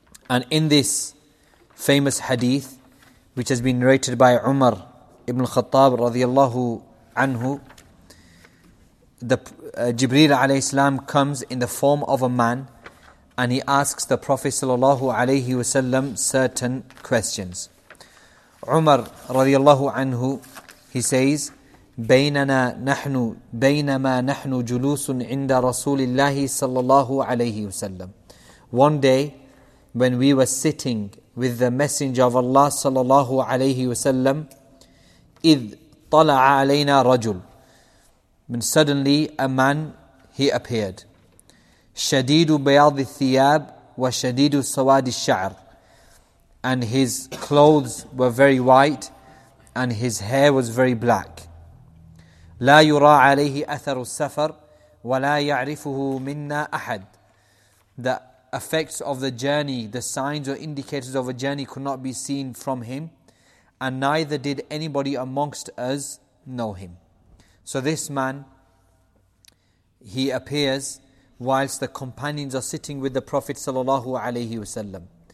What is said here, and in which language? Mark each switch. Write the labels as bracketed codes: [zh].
[en] And in this famous hadith, which has been narrated by Umar ibn Khattab radiyallahu anhu, Jibreel alayhi salam comes in the form of a man, and he asks the Prophet sallallahu alayhi wasallam certain questions. Umar radiyallahu anhu, he says, [ar] بينما نحن جلوس عند رسول الله صلى الله عليه وسلم. [en] One day when we were sitting with the Messenger of Allah صلى الله عليه وسلم, [ar] إذ طلع علينا رجل, [en] when suddenly a man, he appeared, [ar] شديد بياض الثياب وشديد سواد الشعر, [en] and his clothes were very white and his hair was very black. [ar] لا يرى عليه أثر السفر ولا يعرفه منا أحد. [en] The effects of the journey, the signs or indicators of a journey could not be seen from him, and neither did anybody amongst us know him. So this man, he appears whilst the companions are sitting with the Prophet sallallahu alaihi wasallam.